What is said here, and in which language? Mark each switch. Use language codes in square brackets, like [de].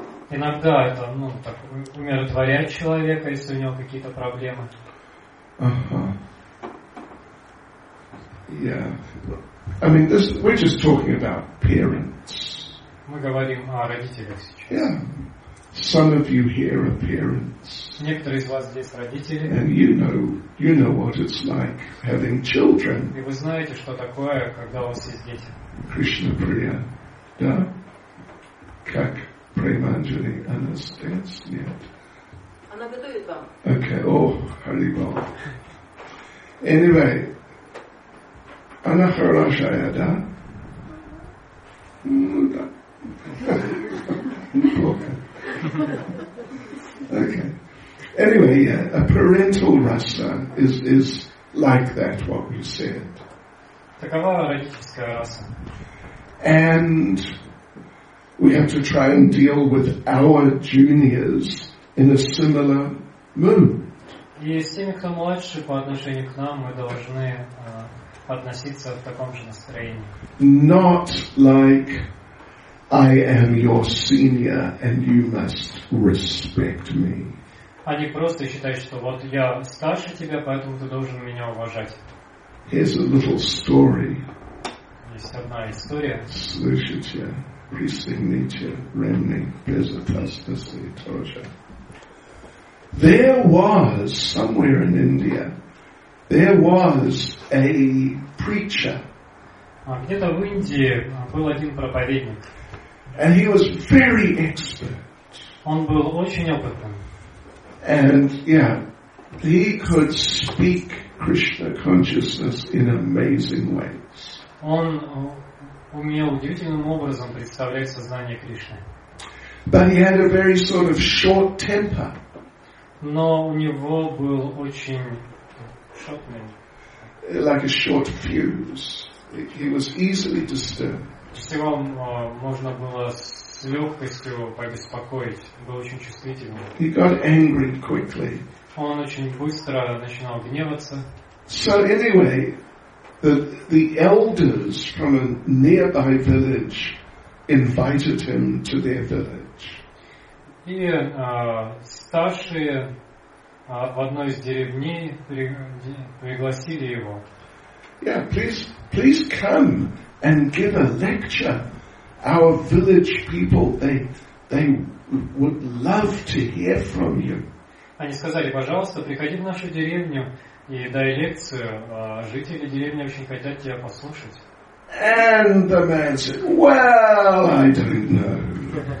[ru] Иногда это, ну, так, умиротворять человека, если у него какие-то проблемы. Uh-huh. [en] Yeah. I mean, this. We're just talking about parents. [ru] Мы говорим о родителях сейчас. [en] Yeah. Some of you here are parents. [ru] Некоторые из вас здесь родители. [en] And you know what it's like having children. [ru] И вы знаете, что такое, когда у вас есть дети. Krishna Priya, да? Как Преманджали Анастас, нет? Она готовит вам. Okay, oh, Hari Bol. Anyway, она хорошая, да? Ну, да. Неплохо. Okay. [en] Anyway, yeah, a parental rasa is like that, what we said. [ru] Такова родительская раса. [en] And we have to try and deal with our juniors in a similar mood. [ru] И с теми, кто младше по отношению к нам, мы должны относиться в таком же настроении. [en] Not like I am your senior and you must respect me. [ru] Они просто считают, что вот я старше тебя, поэтому ты должен меня уважать. [en] Here's a little story. [ru] Есть одна история. Слышите? Присоедините. Ремни. Безотасности. Тоже. [en] There was, somewhere in India, there was a preacher. [ru] Где-то в Индии был один проповедник. [en] And he was very expert. [ru] Он был очень опытным. [en] And yeah, he could speak Krishna consciousness in amazing ways. [ru] Он умел удивительным образом представлять сознание Кришны. [en] But he had a very sort of short temper. [ru] Но у него был очень шутный. [en] Like a short fuse. He was easily disturbed. [ru] Если вам можно было с легкостью побеспокоить, был очень чувствительным. [en] He got angry quickly. [ru] Он очень быстро начинал гневаться. [en] So anyway, the elders from a nearby village invited him to their village. [ru] И старшие в одной из деревней пригласили его. [en] Yeah, please come and give a lecture. Our village people, they would love to hear from you. [ru] Они сказали, пожалуйста, приходи в нашу деревню и дай лекцию. Жители деревни очень хотят тебя послушать. [en] And the man said, well, I don't know.